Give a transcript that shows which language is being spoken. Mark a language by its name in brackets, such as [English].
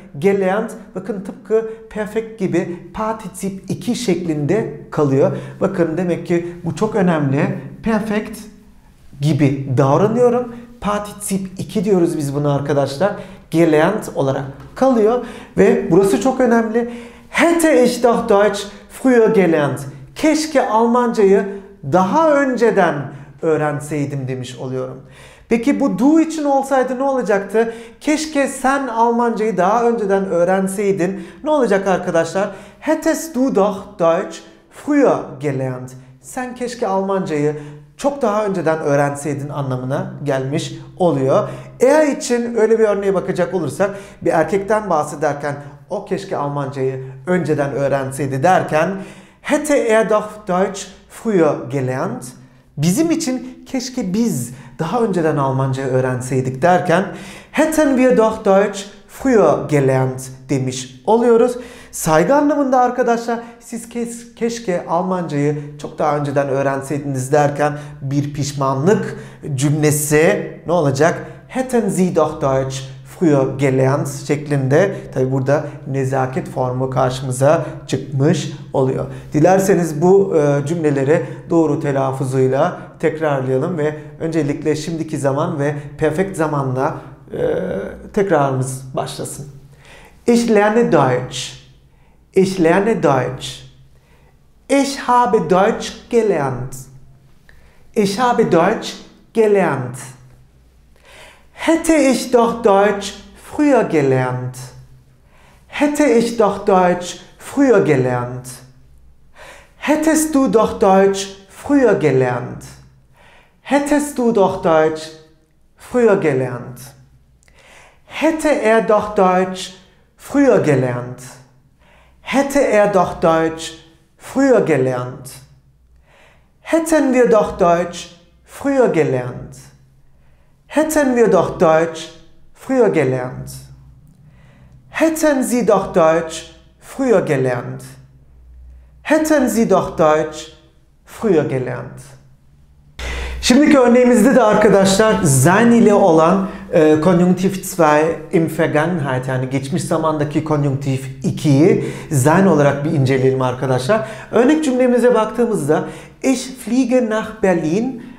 [Turkish] Gelernt, bakın tıpkı perfect gibi partizip 2 şeklinde kalıyor. Bakın demek ki bu çok önemli. Perfect gibi davranıyorum. Partizip 2 diyoruz biz buna arkadaşlar. Gelernt olarak kalıyor. Ve burası çok önemli. [German] Hätte ich doch Deutsch früher gelernt. [Turkish] Keşke Almancayı daha önceden öğrenseydim demiş oluyorum. Peki bu du için olsaydı ne olacaktı? Keşke sen Almancayı daha önceden öğrenseydin. Ne olacak arkadaşlar? [German] Hättest du doch Deutsch früher gelernt. [Turkish] Sen keşke Almancayı çok daha önceden öğrenseydin anlamına gelmiş oluyor. Er için öyle bir örneğe bakacak olursak, bir erkekten bahsederken o keşke Almancayı önceden öğrenseydi derken [German] hätte er doch Deutsch früher gelernt. [Turkish] Bizim için keşke biz daha önceden Almanca öğrenseydik derken [German] hätten wir doch Deutsch früher gelernt [Turkish] demiş oluyoruz. Saygı anlamında arkadaşlar siz keşke Almancayı çok daha önceden öğrenseydiniz derken bir pişmanlık cümlesi ne olacak? [German] Hätten Sie doch Deutsch früher gelernt şeklinde. [Turkish] Tabi burada nezaket formu karşımıza çıkmış oluyor. Dilerseniz bu cümleleri doğru telaffuzuyla tekrarlayalım ve öncelikle şimdiki zaman ve perfect zamanla tekrarımız başlasın. [German] Ich lerne Deutsch. Ich lerne Deutsch. Ich habe Deutsch gelernt. Ich habe Deutsch gelernt. Hätte ich doch Deutsch früher gelernt. Hätte ich doch Deutsch früher gelernt. Hättest du doch Deutsch früher gelernt. Hättest du doch Deutsch früher gelernt. Hätte er doch Deutsch früher gelernt. Hätte er doch Deutsch früher gelernt. Hätten wir doch Deutsch früher gelernt. Hätten wir doch Deutsch früher gelernt. Hätten Sie doch Deutsch früher gelernt. Hätten Sie doch Deutsch früher gelernt. [Turkish] Şimdiki örneğimizde de arkadaşlar sein ile olan konjunktif 2 [German] im Vergangenheit, [Turkish] yani geçmiş zamandaki konjunktif 2'yi sein olarak bir inceleyelim arkadaşlar. Örnek cümlemize baktığımızda [German] ich fliege nach Berlin.